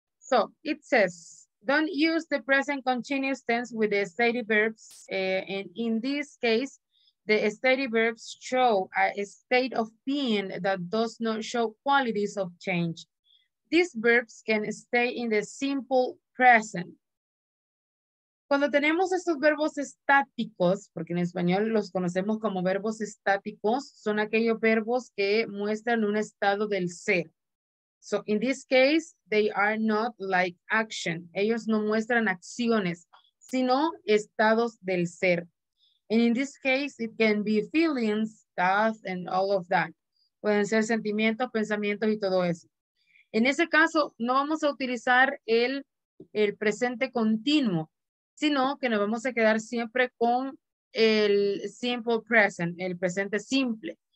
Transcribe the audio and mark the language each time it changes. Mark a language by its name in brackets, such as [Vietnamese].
[English] So it says, don't use the present continuous tense with the stated verbs. And in this case, the stated verbs show a state of being that does not show qualities of change. These verbs can stay in the simple present. [Spanish] Cuando tenemos estos verbos estáticos, porque en español los conocemos como verbos estáticos, son aquellos verbos que muestran un estado del ser. [English] So in this case, they are not like action. [Spanish] Ellos no muestran acciones, sino estados del ser. [English] And in this case, it can be feelings, thoughts, and all of that. [Spanish] Pueden ser sentimientos, pensamientos y todo eso. En ese caso, no vamos a utilizar el presente continuo, sino que nos vamos a quedar siempre con el simple present, el presente simple.